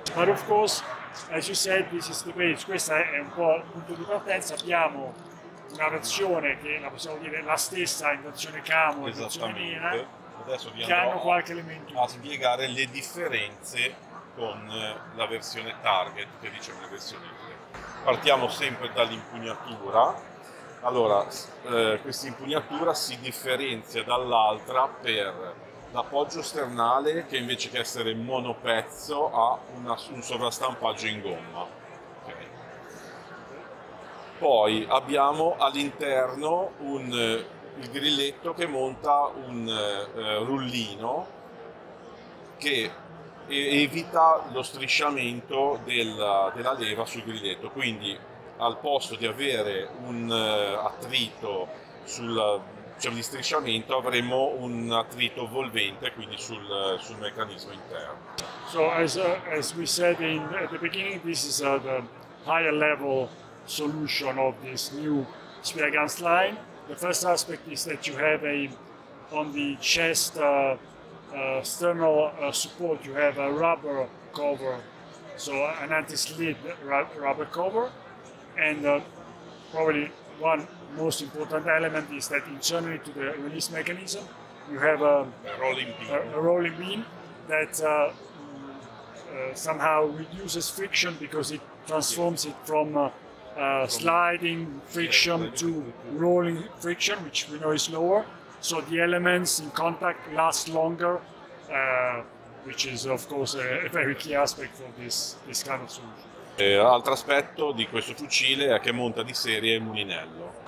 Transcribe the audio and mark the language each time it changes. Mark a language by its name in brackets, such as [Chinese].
[English] But of course, as you said, this is the base. [Italian] Questa è un po' il punto di partenza. Abbiamo una versione che la possiamo dire la stessa in versione camo e versione mira. Adesso vi che hanno qualche elemento a spiegare le differenze con la versione target, che diciamo la versione 2. Partiamo sempre dall'impugnatura. Allora, questa impugnatura si differenzia dall'altra per l'appoggio sternale, che invece che essere monopezzo ha un sovrastampaggio in gomma. Okay. Poi abbiamo all'interno il grilletto che monta un rullino che evita lo strisciamento della leva sul grilletto, quindi al posto di avere un attrito sul c'è un istrisciamento, avremo un attrito volvente, quindi sul meccanismo interno. [English] So as we said at the beginning, this is the higher level solution of this new Sperrgans line. The first aspect is that you have on the chest external support, you have a rubber cover, so an anti-slip rubber cover, and probably one most important element is that internally to the release mechanism, you have a rolling beam that somehow reduces friction because it transforms it from sliding friction to rolling friction, which we know is lower. So the elements in contact last longer, which is of course a very key aspect for this kind of solution. [Italian] Altro aspetto di questo fucile è che monta di serie il mulinello.